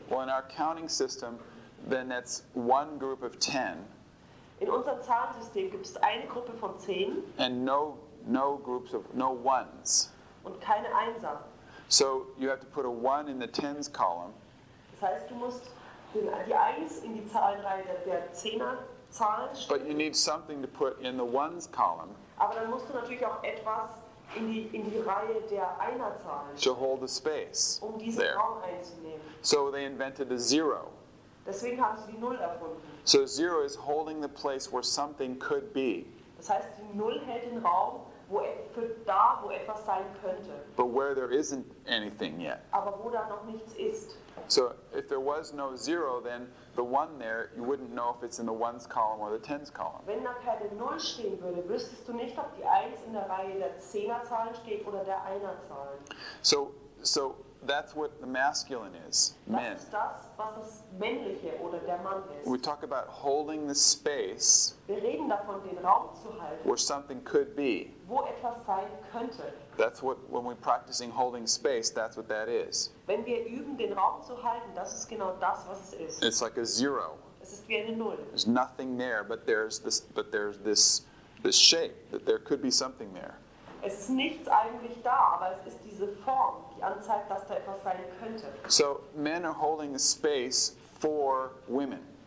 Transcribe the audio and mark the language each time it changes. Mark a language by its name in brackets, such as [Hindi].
[English] Well, in our counting system, then that's one group of 10. [German] In unserem Zahlensystem gibt es eine Gruppe von 10. [English] And no groups of no ones. [German] Und keine Einser. [English] So you have to put a 1 in the tens column. [German] Das heißt, du musst die 1 in die Zahlenreihe der Zehner Zahlen stellen. [English] But you need something to put in the ones column. [German] Aber dann musst du natürlich auch etwas in die Reihe der Einer Zahlen stellen. [English] To hold the space. [German] Um diesen [English] there. [German] Raum einzunehmen. [English] So they invented a zero. [German] Deswegen haben sie die Null erfunden. [English] So zero is holding the place where something could be. [German] Das heißt, die Null hält den Raum, wo etwas sein könnte. [English] But where there isn't anything yet. [German] Aber wo da noch nichts ist. [English] So if there was no zero, then the one there, you wouldn't know if it's in the ones column or the tens column. [German] Wenn da keine Null stehen würde, wüsstest du nicht, ob die Eins in der Reihe der Zehnerzahlen steht oder der Einerzahlen. [English] So that's what the masculine is, men. [German] Das ist das, was das Männliche oder der Mann ist. [English] We talk about holding the space. [German] Wir reden davon, den Raum zu halten. [English] Where something could be. [German] Wo etwas sein könnte. [English] That's what, when we're practicing holding space, that's what that is. [German] Wenn wir üben, den Raum zu halten, das ist genau das, was es ist. [English] It's like a zero. [German] Es ist wie eine Null. [English] There's nothing there, but there's this shape, that there could be something there. [German] Es ist nichts eigentlich da, aber es ist diese Form, die anzeigt, dass da etwas sein könnte. [English] So men are holding the space for women.